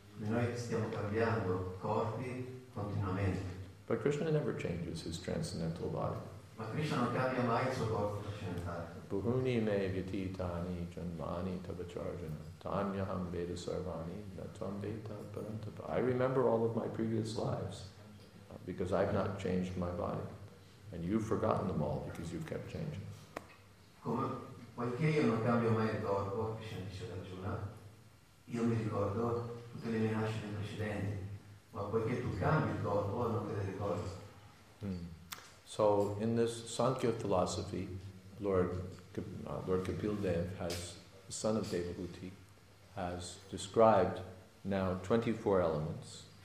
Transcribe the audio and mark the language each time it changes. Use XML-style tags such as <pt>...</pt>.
<it>Noi stiamo cambiando corpi continuamente.</it> <en>But Krishna never changes his transcendental body.</en> <it>Ma Krishna non cambia mai il suo corpo trascendentale.</it> <sa>Buhuni me vyati tani janmani tabacharjana. Tanyaham Veda Sarvani, Natam Veda Parantapa.</sa> <en>I remember all of my previous lives because I've not changed my body. And you've forgotten them all because you've kept changing.</en> <it>Come, poiché io non cambio mai il corpo, Krishna dice ad Arjuna, io mi ricordo tutte le mie nascite precedenti. Ma poiché tu cambi il corpo, non te le ricordo.</it> <en>So, in this Sankhya philosophy, Lord Kapildev has, the son of Devahuti, has described now 24 elements.</en>